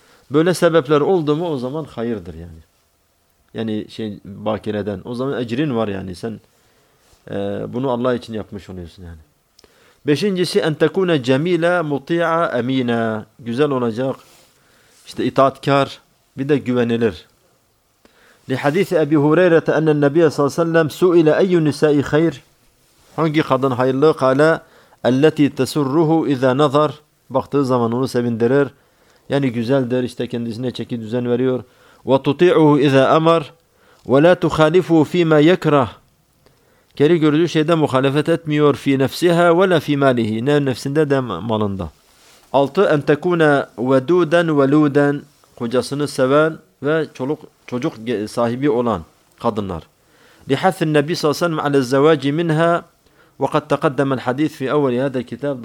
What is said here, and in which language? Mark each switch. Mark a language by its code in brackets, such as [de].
[tr] Böyle sebepler oldu mu o zaman hayırdır yani. Yani şey bakireden. O zaman ecrin var yani. Sen bunu Allah için yapmış oluyorsun yani. [ar] Beşincisi, en tekune cemile muti'a emine. [tr] Güzel olacak. İşte itaatkar, bir de güvenilir. [ar] لحديث أبي هريرة أن النبي صلى الله عليه وسلم سئل أي نساء خير حنقي قدن حيلا قال التي تسره إذا نظر [tr] baktığı zaman onu sevindirir, yani güzeldir, işte kendisine çeki düzen veriyor. [ar] وتطيعه إذا أمر ولا تخالفه فيما يكره. [tr] Geri gördüğü şeyde muhalefet etmiyor. [ar] في نفسها ولا في ماله. [tr] Ne nefsinde de malında. [ar] 6. أن تكون ودودا ولودا. [tr] Kocasını seven ve çocuk sahibi olan kadınlar. [ar] لِحَثِ النَّبِي صَلَى اللّٰهُ عَلَى الزَّوَاجِ مِنْهَا وَقَدْ تَقَدَّمَ الْحَدِيثِ فِي اَوَّلِ هَذَا الْكِتَابِ.